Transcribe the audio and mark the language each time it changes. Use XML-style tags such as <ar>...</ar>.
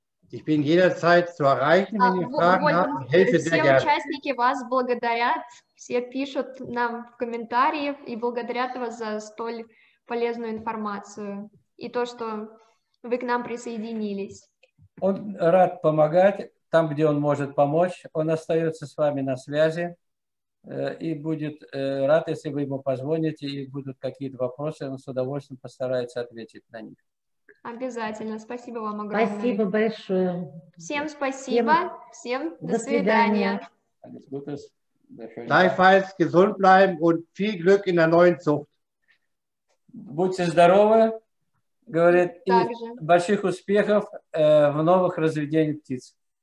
<de>Ich bin jederzeit zu erreichen, wenn ihr Fragen habt, helfe sehr gerne.</de> <ru>Все участники вас благодарят, все пишут нам в комментариях и благодарят вас за столь полезную информацию и то, что вы к нам присоединились. Он рад помогать, там, где он может помочь, он остается с вами на связи и будет рад, если вы ему позвоните и будут какие-то вопросы, он с удовольствием постарается ответить на них. Обязательно. Спасибо вам огромное. Спасибо большое. Всем спасибо. Всем до свидания.</ru> <de>Alles Gute. Gleichfalls gesund bleiben und viel Glück in der neuen Zucht.</de> <ru>Будьте здоровы, говорит, и больших успехов в новых разведениях птиц.</ru>